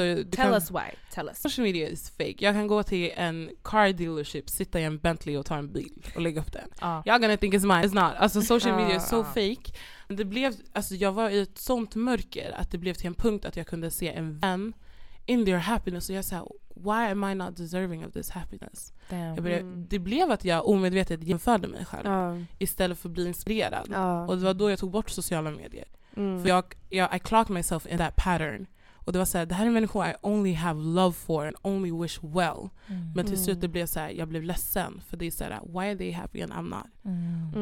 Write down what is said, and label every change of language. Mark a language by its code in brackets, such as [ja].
[en] Tell us why. Social media is fake. [sv] Jag kan gå till en [en] car dealership, [sv] sitta i en Bentley och ta en bil och lägga upp den. [en] You're gonna think it's mine. It's not. [sv] Alltså [en] social media is so fake. [sv] Men det blev, alltså jag var i ett sånt mörker att det blev till en punkt att jag kunde se en vän [en] in their happiness. [sv] Och jag sa, [en] why am I not deserving of this happiness? [sv] Det blev att jag omedvetet jämförde mig själv istället för att bli inspirerad. Och det var då jag tog bort sociala medier. För jag [en] I clocked myself in that pattern. [sv] Och det var såhär, det här är människor [en] I only have love for and only wish well. [sv] Men till slut det blev såhär, jag blev ledsen. För det är såhär, [en] why are they happy and I'm not?